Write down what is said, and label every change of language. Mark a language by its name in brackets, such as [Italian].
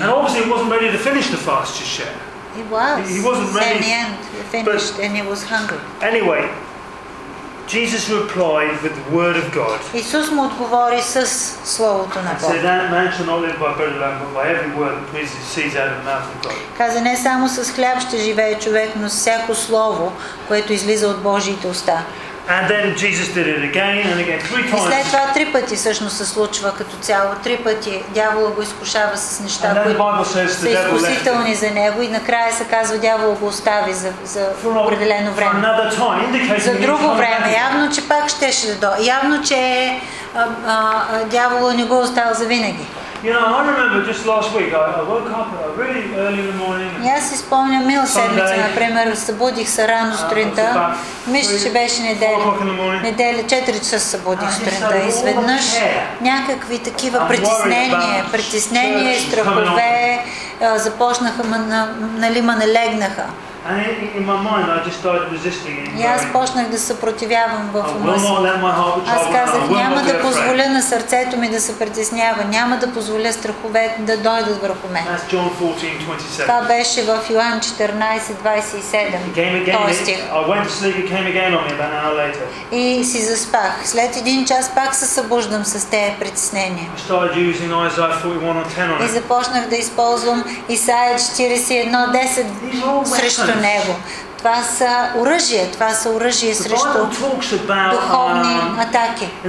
[English] And obviously he wasn't ready to finish the fast just yet. He was. He wasn't ready. In the end, he finished and he was hungry. Anyway, Jesus replied with the word of God. [Bulgarian] Исус му отговори с словото на Бог. [English] Said that man shall not live by bread alone, but by every word that proceeds out of the mouth of God. [Bulgarian] Каза, не само с хляб ще живее човек, но с всяко слово, което излиза от Божиите уста. [English] And then Jesus did it again and again three times. [Bulgarian] И след това три пъти всъщност се случва като цяло. Три пъти дявола го изкушава с неща, които са изкусителни за него. И накрая се казва, дявола го остави за определено време. За друго време. Явно, че пак щеше да дойде. Явно, че дявола не го остава за винаги. [English] You know, I remember just last week I woke up really early in the morning. [Bulgarian] Я си спомням мил седмица, например, събудих се рано сутринта. Мисля, че беше неделя, 4 часа се събудих сутринта и изведнъж някакви такива притеснения, страхове започнаха, нали, ме налегнаха. [English] And in my mind, I just started resisting it. [Bulgarian] Я започнах да се съпротивявам в ума си. Аз казах, няма да позволя на сърцето ми да се притеснява, няма да позволя страховете да дойдат върху мен. [English] That's John 14:27. [Bulgarian] Това беше в Йоан 14:27. Той стих. [English] I went to sleep, it came again on me about an hour later. [Bulgarian] И си заспах. След един час пак се събуждам с тези притеснения. [English] I started using Isaiah 41:10 on it. [Bulgarian] И започнах да използвам Исаия 41:10. Него. Това са оръжие, това са оръжие срещу духовни атаки.